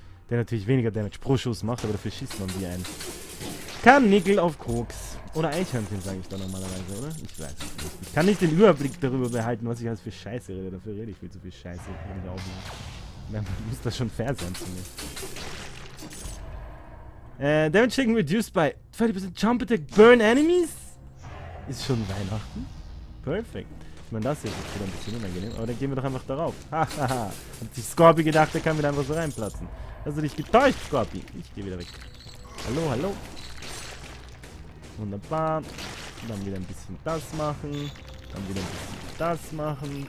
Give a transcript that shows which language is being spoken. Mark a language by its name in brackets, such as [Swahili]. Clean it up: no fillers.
[German] Der natürlich weniger Damage pro Schuss macht, aber dafür schießt man wie ein Karnickel auf Koks. Oder Eichhörnchen, sage ich da normalerweise, oder? Ich weiß es nicht. Ich kann nicht den Überblick darüber behalten, was ich alles für Scheiße rede. Dafür rede ich viel zu viel Scheiße. Man muss das schon fair sein zu mir. [English] Damage taken reduced by 30% Jump Attack Burn Enemies? [German] Ist schon Weihnachten? [English] Perfect. [German] Ich meine, das hier ist wieder ein bisschen unangenehm. Aber dann gehen wir doch einfach darauf. Hahaha. Hat sich Scorpi gedacht, der kann wieder einfach so reinplatzen. Hast du dich getäuscht, Scorpi? Ich gehe wieder weg. Hallo, hallo. Wunderbar. Dann wieder ein bisschen das machen. Dann wieder ein bisschen das machen.